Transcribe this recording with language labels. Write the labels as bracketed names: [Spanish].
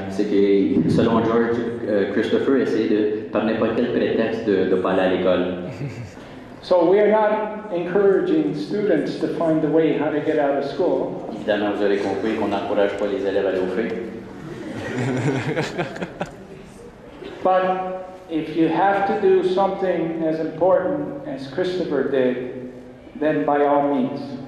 [French] C'est que, selon George, Kristopher essaie de, par n'importe quel prétexte, de ne pas aller à l'école. [English] So we are not encouraging students to find a way how to get out of school. [French] Évidemment, vous aurez compris qu'on n'encourage pas les élèves à aller au feu. [English] But if you have to do something as important as Kristopher did, then by all means.